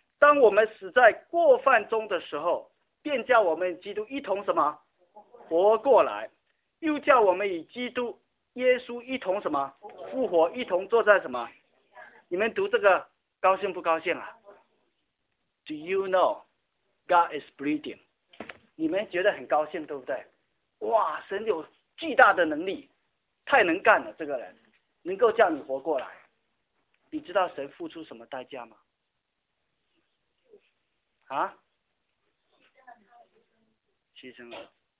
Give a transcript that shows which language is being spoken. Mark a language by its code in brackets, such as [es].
[zh] 当我们死在过犯中的时候，便叫我们与基督一同什么活过来，又叫我们与基督耶稣一同什么复活，一同坐在什么。你们读这个高兴不高兴啊？ [en] Do you know God is breathing？ [zh] 你们觉得很高兴对不对？哇，神有巨大的能力，太能干了，这个人能够叫你活过来。你知道神付出什么代价吗？啊，牺牲了。